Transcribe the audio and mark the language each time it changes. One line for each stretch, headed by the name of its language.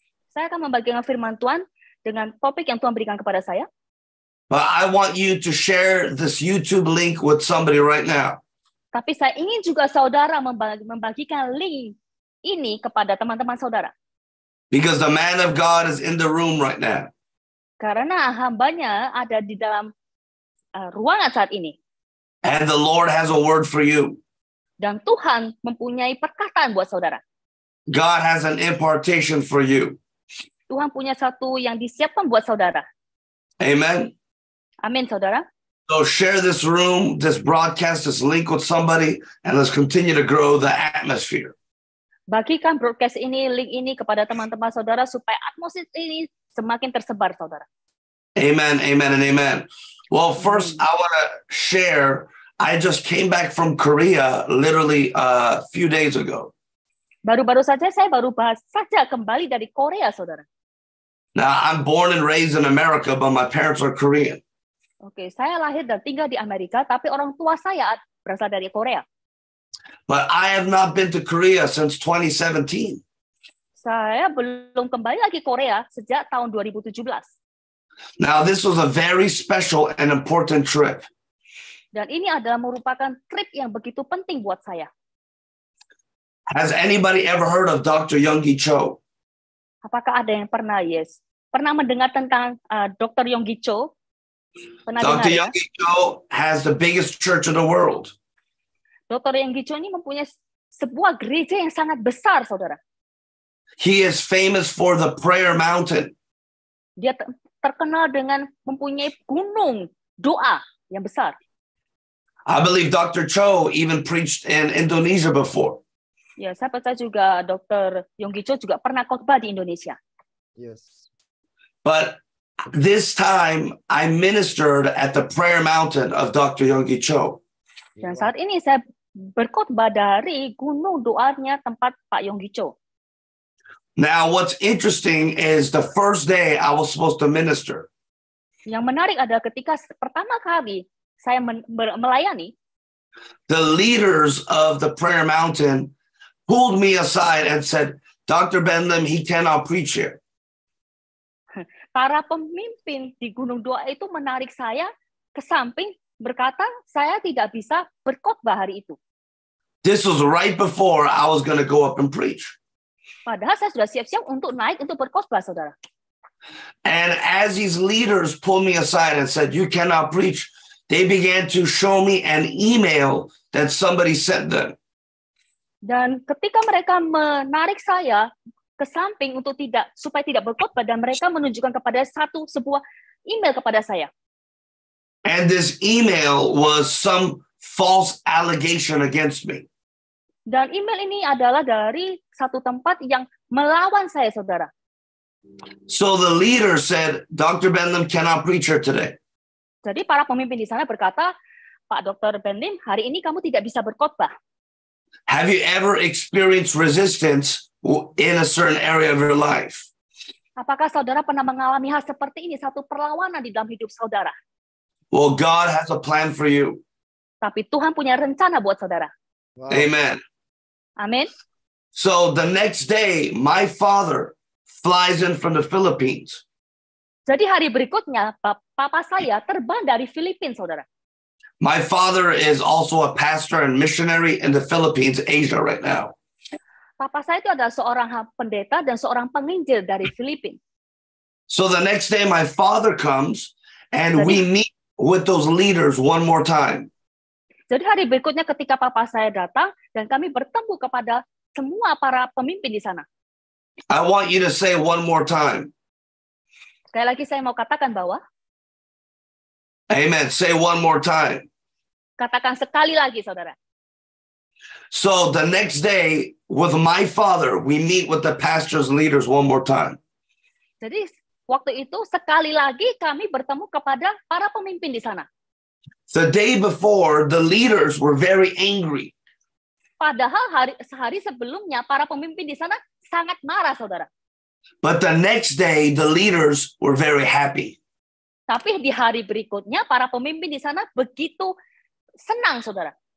Indonesian: Saya akan membagikan firman Tuhan dengan topik yang Tuhan berikan kepada saya.
English: But I want you to share this YouTube link with somebody right now.
Indonesian: Tapi saya ingin juga saudara membagikan link ini kepada teman-teman saudara.
English: Because the man of God is in the room right now.
Indonesian: Karena hambanya ada di dalam ruangan saat ini.
English: And the Lord has a word for you.
Indonesian: Dan Tuhan mempunyai perkataan buat saudara.
English: God has an impartation for you.
Indonesian: Tuhan punya satu yang disiapkan buat saudara.
English: Amen.
Indonesian: Amin, saudara.
English: So share this room, this broadcast, this link with somebody, and let's continue to grow the atmosphere.
Indonesian: Bagikan broadcast ini, link ini kepada teman-teman saudara supaya atmosfer ini semakin tersebar, saudara.
English: Amen, amen, and amen. Well, first I want to share. I just came back from Korea literally a few days ago.
Indonesian: Baru-baru saja saya baru saja kembali dari Korea, saudara.
English: Now, I'm born and raised in America, but my parents are Korean.
Indonesian: Okay, saya lahir dan tinggal di Amerika, tapi orang tua saya berasal dari Korea.
English: But I have not been to Korea since 2017.
Indonesian: Saya belum kembali lagi Korea sejak tahun 2017.
English: Now, this was a very special and important trip.
Indonesian: Dan ini adalah merupakan trip yang begitu penting buat saya.
English: Has anybody ever heard of Dr. Yonggi Cho?
Indonesian: Apakah ada yang pernah, yes. Pernah mendengar tentang Dr. Yonggi Cho? Pernah Dr. Dengar, Yonggi ya?
English: Cho has the biggest church in the world.
Indonesian: Dr. Yonggi Cho ini mempunyai sebuah gereja yang sangat besar, saudara.
English: He is famous for the prayer mountain.
Indonesian: Dia terkenal dengan mempunyai gunung doa yang besar.
English: I believe Dr. Cho even preached in Indonesia before.
Indonesian: Ya, yeah, saya percaya juga Dr. Yonggi Cho juga pernah khotbah di Indonesia.
English: Yes. But this time I ministered at the prayer mountain of Dr. Yonggi Cho.
Indonesian: Dan saat ini saya berkhotbah dari gunung doanya tempat Pak Yonggi Cho.
English: Now what's interesting is the first day I was supposed to minister.
Indonesian: Yang menarik adalah ketika pertama kali saya melayani,
English: the leaders of the prayer mountain pulled me aside and said, Dr. Ben Lim, he cannot preach here.
Indonesian: Para pemimpin di Gunung Doa itu menarik saya ke samping, berkata, saya tidak bisa berkhotbah hari itu.
English: This was right before I was going to go up and preach.
Indonesian: Padahal saya sudah siap-siap untuk naik untuk berkhotbah, saudara.
English: And as these leaders pulled me aside and said, you cannot preach, they began to show me an email that somebody sent them.
Indonesian: Dan ketika mereka menarik saya ke samping untuk tidak supaya tidak berkhotbah, dan mereka menunjukkan kepada satu sebuah email kepada saya.
English: And this email was some false allegation against me.
Indonesian: Dan email ini adalah dari satu tempat yang melawan saya, saudara.
English: So the leader said, Dr. Ben Lim cannot preach here today.
Indonesian: Jadi para pemimpin di sana berkata, Pak Dr. Ben Lim, hari ini kamu tidak bisa berkhotbah.
English: Have you ever experienced resistance in a certain area of your life?
Indonesian: Apakah saudara pernah mengalami hal seperti ini, satu perlawanan di dalam hidup saudara?
English: Well, God has a plan for you.
Indonesian: Tapi Tuhan punya rencana buat saudara.
English: Wow. Amen. Amen. So the next day, my father flies in from the Philippines.
Indonesian: Jadi hari berikutnya, papa saya terbang dari Filipina, saudara.
English: My father is also a pastor and missionary in the Philippines, Asia right now.
Indonesian: Papa saya itu adalah seorang pendeta dan seorang penginjil dari Filipina.
English: So the next day my father comes and we meet with those leaders one more time.
Indonesian: Jadi hari berikutnya ketika papa saya datang dan kami bertemu kepada semua para pemimpin di sana.
English: I want you to say one more time.
Indonesian: Sekali lagi saya mau katakan bahwa
English: amen. Say one more time.
Indonesian: Katakan sekali lagi, saudara.
English: So the next day, with my father, we meet with the pastor's leaders one more time.
Indonesian: Jadi, waktu itu, sekali lagi kami bertemu kepada para pemimpin di sana.
English: The day before, the leaders were very angry.
Indonesian: Padahal sehari sebelumnya, para pemimpin di sana sangat marah, saudara.
English: But the next day, the leaders were very happy.
Indonesian: Tapi di hari berikutnya, para pemimpin di sana begitu senang, saudara.